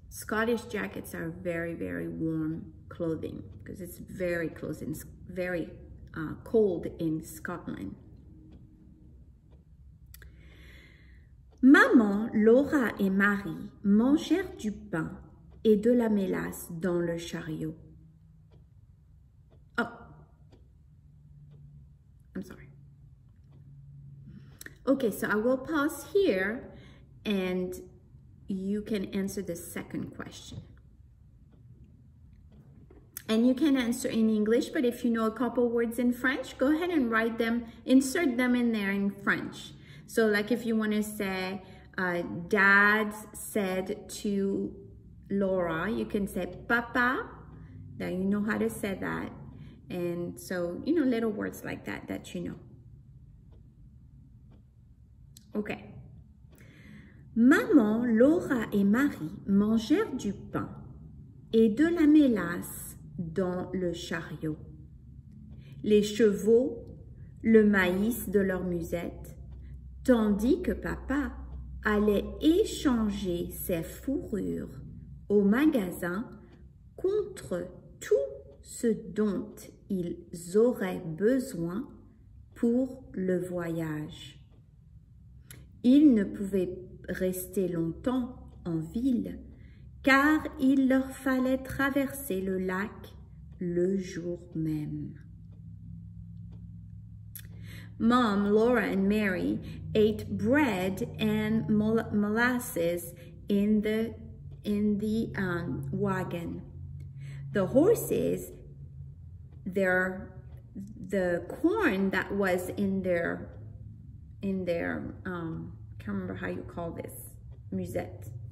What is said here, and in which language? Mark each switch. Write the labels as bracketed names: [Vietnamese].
[English] Scottish jackets are very, very warm clothing because it's very close and very cold in Scotland. [French] Maman, Laura et Marie mangèrent du pain et de la mélasse dans le chariot. [English] Oh, I'm sorry. Okay, so I will pause here and you can answer the second question. And you can answer in English, but if you know a couple words in French, go ahead and write them, insert them in there in French. So like if you want to say, Dad said to Laura, you can say, Papa, now you know how to say that. And so, you know, little words like that, that you know. Okay. [French] Maman, Laura et Marie mangèrent du pain et de la mélasse dans le chariot. Les chevaux, le maïs de leur musette, tandis que papa allait échanger ses fourrures au magasin contre tout ce dont ils auraient besoin pour le voyage. Ils ne pouvaient pas rester longtemps en ville, car il leur fallait traverser le lac le jour même. [English] Mom, Laura and Mary ate bread and molasses in the wagon. The horses, the corn that was in their I can't remember how you call this, musette.